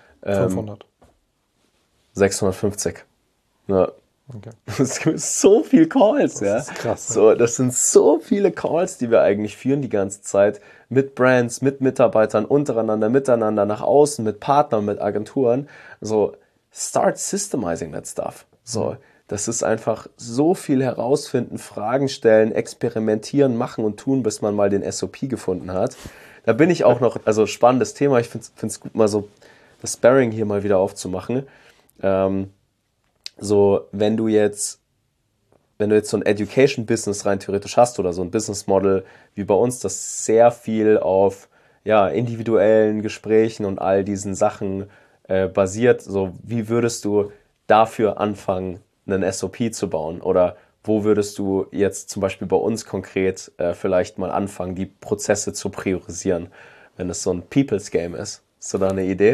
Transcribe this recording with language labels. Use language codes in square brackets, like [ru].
[de] 500. 650. Ja. Okay. Es gibt so viele Calls, Das ja. ist krass, ne? So, das sind so viele Calls, die wir eigentlich führen die ganze Zeit mit Brands, mit Mitarbeitern, untereinander, miteinander, nach außen, mit Partnern, mit Agenturen. [en] So, start systemizing that stuff. [de] So. Das ist einfach so viel herausfinden, Fragen stellen, experimentieren, machen und tun, bis man mal den SOP gefunden hat. Da bin ich auch noch, also spannendes Thema. Ich finde es gut, mal so das Sparring hier mal wieder aufzumachen. So, wenn du jetzt so ein Education-Business rein theoretisch hast oder so ein Business-Model wie bei uns, das sehr viel auf, ja, individuellen Gesprächen und all diesen Sachen basiert, so wie würdest du dafür anfangen, einen SOP zu bauen, oder wo würdest du jetzt zum Beispiel bei uns konkret vielleicht mal anfangen, die Prozesse zu priorisieren, wenn es so ein People's Game ist? Hast du da eine Idee?